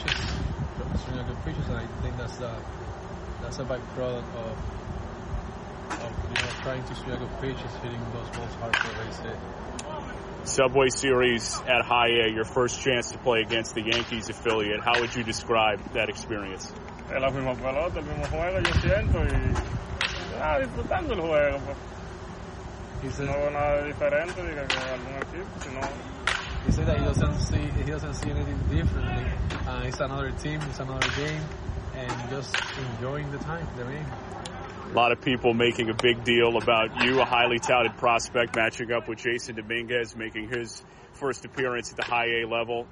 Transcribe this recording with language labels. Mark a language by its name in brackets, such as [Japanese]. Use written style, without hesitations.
[English] Swing a good pitch, and I think that's a byproduct of trying to swing a pitch is hitting those balls hard for Race A. Subway Series at High A, your first chance to play against the Yankees affiliate. How would you describe that experience? [Spanish] Es la misma pelota, el mismo juego, yo siento y disfrutando el juego. No veo nada diferente de algún equipo, sino. [English] He said that he doesn't see anything differently. It's another team, it's another game, and just enjoying the time, the game. A lot of people making a big deal about you, a highly touted prospect, matching up with Jason Dominguez, making his first appearance at the High A level.